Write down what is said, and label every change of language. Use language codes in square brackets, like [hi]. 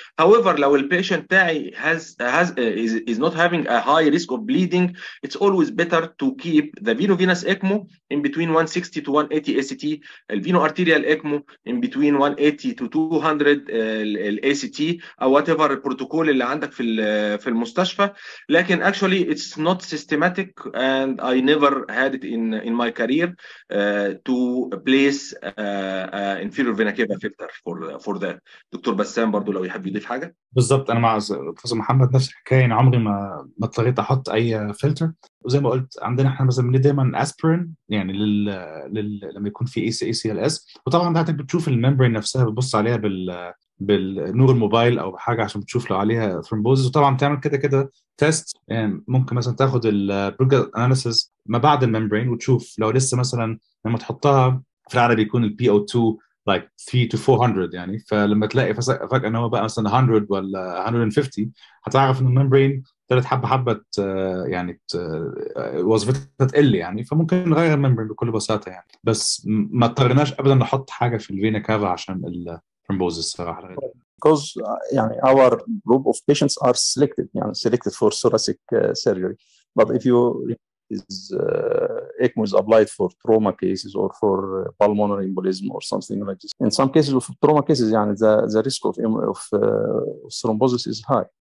[en] However [ar] لو البيشنت تاعي [en] is not having a high risk of bleeding it's always better to keep the venovenous ECMO in between 160 to 180 ACT, الفينو arterial ECMO in between 180 to 200 ACT or whatever [ar] البروتوكول اللي عندك في المستشفى. لكن [en] actually it's not systematic and I never had it in my career to place inferior vena cava filter for that. [ar] دكتور بسام برضو لو يحب يضيف حاجة. بالضبط أنا مع بروفيسور محمد نفس الحكاية. أنا عمري ما اضطريت أحط أي فلتر, وزي ما قلت عندنا إحنا مثلا بنديه دايما أسبرين يعني لما يكون في ACLS. وطبعا ده بتشوف الممبرين نفسها بتبص عليها بالنور الموبايل أو حاجة عشان بتشوف لو عليها ثرومبوزز. وطبعا تعمل كده تيست يعني ممكن مثلا تاخد البروجر أناليسز ما بعد الممبرين وتشوف لو لسه مثلا لما تحطها في العادة بيكون الـ PO2 [en] like 3 to 400 [ar] يعني. فلما تلاقي فجأة أنه بقى مثلا 100 ولا 150 هتعرف أن الممبرين تلت حبة يعني وظيفتها تقل يعني. فممكن نغير الممبرين بكل بساطة يعني, بس ما اضطرناش أبدا نحط حاجة في الفينا كافا عشان الثرومبوزس صراحة. [en] Because يعني our group of patients are selected يعني selected for thoracic surgery but if you is ECMO is applied for trauma cases or for pulmonary embolism or something like this. In some cases of trauma cases يعني the risk of thrombosis is high.